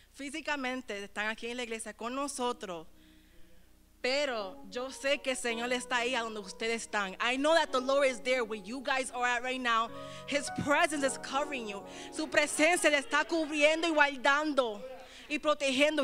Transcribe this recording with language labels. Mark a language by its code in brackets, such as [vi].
[es] Físicamente están aquí en la iglesia con nosotros. Pero yo sé que el Señor está ahí a donde ustedes están. [en] I know that the Lord is there where you guys are at right now. His presence is covering you. [es] Su presencia le está cubriendo y guardando y protegiendo.